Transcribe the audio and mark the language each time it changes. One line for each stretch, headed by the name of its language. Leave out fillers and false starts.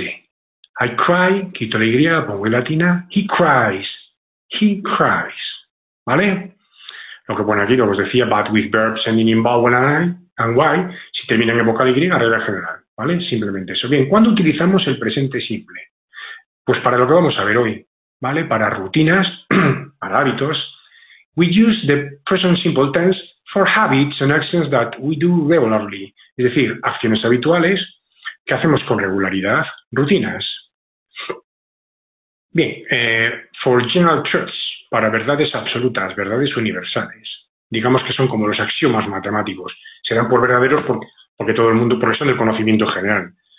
English: I cry,
Spanish: quito la Y, pongo en latina,
English: he cries,
Spanish: ¿vale? Lo que pone aquí, lo que os decía,
English: but with verbs ending in vowel and Y,
Spanish: si terminan en vocal Y, regla general, ¿vale? Simplemente eso. Bien, ¿cuándo utilizamos el presente simple? Pues para lo que vamos a ver hoy, ¿vale? Para rutinas, para hábitos.
English: We use the present simple tense for habits and actions that we do regularly.
Spanish: Es decir, acciones habituales que hacemos con regularidad, rutinas. Bien,
English: for general truths,
Spanish: para verdades absolutas, verdades universales. Digamos que son como los axiomas matemáticos. Serán por verdaderos porque todo el mundo, por eso en el conocimiento general.